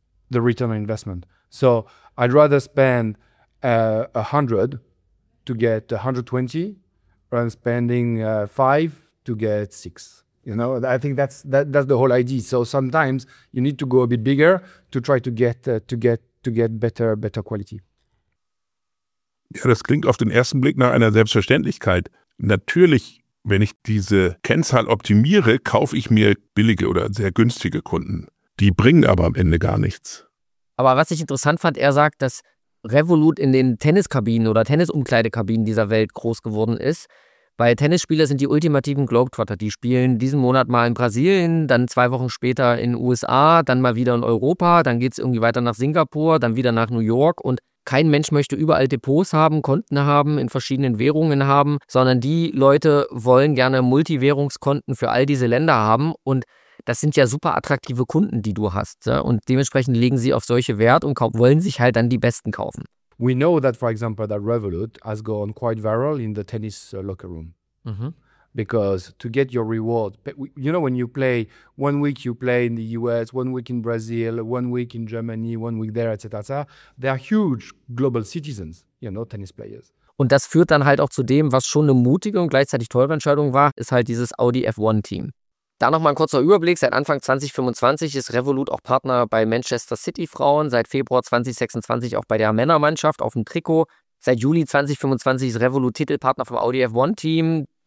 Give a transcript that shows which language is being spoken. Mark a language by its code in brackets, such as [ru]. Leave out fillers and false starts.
[en] The return on investment. So I'd rather spend 100 to get 120 rather than spending 5 to get 6. You know, I think that's the whole idea. So sometimes you need to go a bit bigger to try to get better quality. [de] Ja, das klingt auf den ersten Blick nach einer Selbstverständlichkeit. Natürlich, wenn ich diese Kennzahl optimiere, kaufe ich mir billige oder sehr günstige Kunden. Die bringen aber am Ende gar nichts. Aber was ich interessant fand, er sagt, dass Revolut in den Tenniskabinen oder Tennisumkleidekabinen dieser Welt groß geworden ist. Weil Tennisspieler sind die ultimativen Globetrotter. Die spielen diesen Monat mal in Brasilien, dann 2 Wochen später in den USA, dann mal wieder in Europa, dann geht es irgendwie weiter nach Singapur, dann wieder nach New York. Und kein Mensch möchte überall Depots haben, Konten haben, in verschiedenen Währungen haben, sondern die Leute wollen gerne Multiwährungskonten für all diese Länder haben. Und das sind ja super attraktive Kunden, die du hast. Und dementsprechend legen sie auf solche Wert und wollen sich halt dann die besten kaufen. [en] We know that, for example, that Revolut has gone quite viral in the tennis locker room. Mm-hmm. Because to get your reward, you know, when you play, 1 week you play in the US, 1 week in Brazil, 1 week in Germany, 1 week there, etc. They are huge global citizens, you know, tennis players. [de] Und das führt dann halt auch zu dem, was schon eine mutige und gleichzeitig teure Entscheidung war, ist halt dieses Audi F1 Team. Da nochmal ein kurzer Überblick. Seit Anfang 2025 ist Revolut auch Partner bei Manchester City Frauen. Seit Februar 2026 auch bei der Männermannschaft auf dem Trikot. Seit Juli 2025 ist Revolut Titelpartner vom Audi F1 Team.